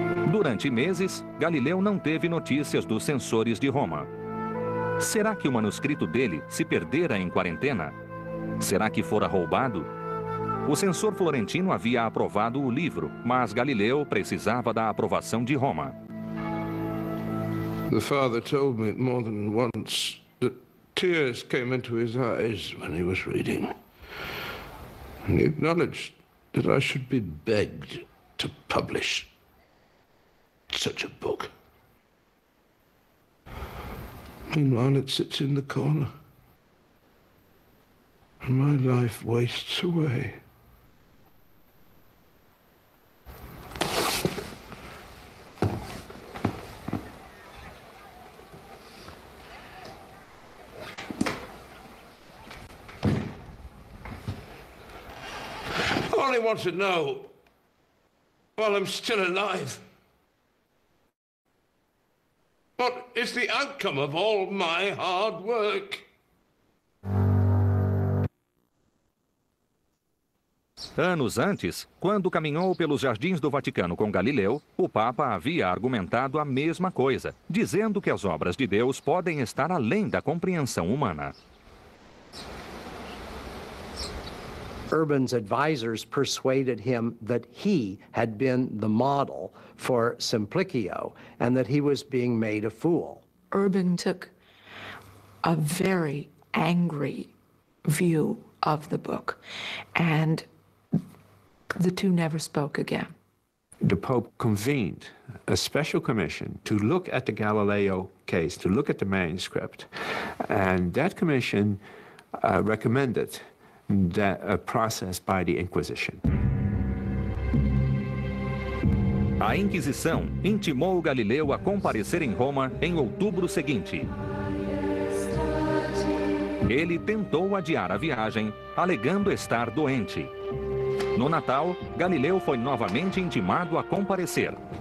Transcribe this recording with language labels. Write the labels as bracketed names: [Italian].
[Portuguese] Durante meses, Galileu não teve notícias dos censores de Roma. Será que o manuscrito dele se perdera em quarentena? Será que fora roubado? O censor florentino havia aprovado o livro, mas Galileu precisava da aprovação de Roma. [English] The father told me more than once that tears came into his eyes when he was reading. And he acknowledged that I should be begged to publish. such a book. Meanwhile, it sits in the corner. And my life wastes away. I want to know while I'm still alive what is the outcome of all my hard work. [Portuguese] Anos antes, quando caminhou pelos jardins do Vaticano com Galileu, o Papa havia argumentado a mesma coisa, dizendo que as obras de Deus podem estar além da compreensão humana. [English] Urban's advisors persuaded him that he had been the model for Simplicio and that he was being made a fool. Urban took a very angry view of the book, and the two never spoke again. The Pope convened a special commission to look at the Galileo case, to look at the manuscript, and that commission recommended that process by the Inquisition. [Portuguese] A Inquisição intimou Galileu a comparecer em Roma em outubro seguinte. Ele tentou adiar a viagem, alegando estar doente. No Natal, Galileu foi novamente intimado a comparecer.